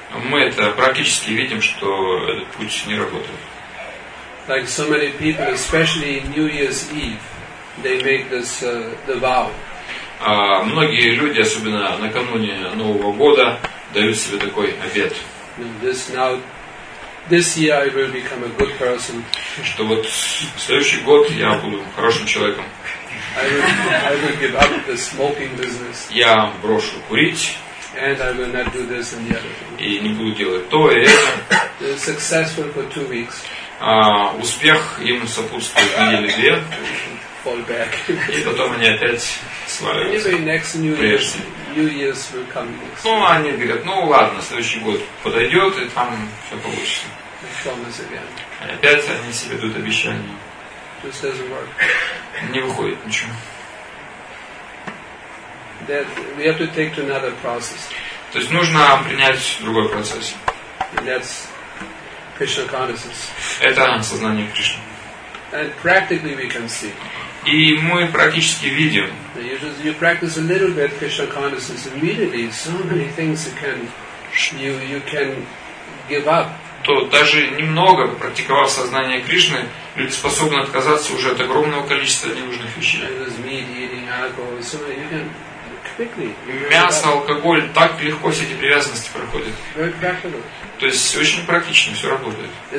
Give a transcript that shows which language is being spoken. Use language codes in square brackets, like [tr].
[ru] Мы это практически видим, что этот путь не работает. [en] Like so many people, especially New Year's Eve, they make this the vow. [ru] Многие люди, особенно накануне Нового года, дают себе такой обет. [en] This year I will become a good person. [ru] Что вот в следующий год я буду хорошим человеком. [en] I will give up the smoking business. [ru] Я брошу курить. [en] And I will not do this and the other thing. [ru] И не буду делать то и это. [en] They're successful for 2 weeks. [ru] Успех им сопутствует недели две, [en] fall back. [ru] И потом они опять сваливаются. [en] Anyway, next New Year's will come next. [ru] Ну, они говорят, ну ладно, следующий год подойдет, и там все получится. [en] Promise again. [ru] И опять они себе дают обещание. [en] Just doesn't work. [ru] Не выходит ничего. [en] That we have to take to another process. [ru] То есть нужно принять другой процесс. [en] And that's Krishna consciousness. [ru] Это сознание Кришны. [en] And practically we can see. [ru] И мы практически видим. [en] You practice a little bit Krishna consciousness immediately. So many things you can give up. [ru] То даже немного практиковав сознание Кришны, люди способны отказаться уже от огромного количества ненужных вещей. [en] And there's meat, eating, alcohol, so many, you can. [ru] Мясо, алкоголь, так легко все эти привязанности проходят. То есть очень практично, все работает.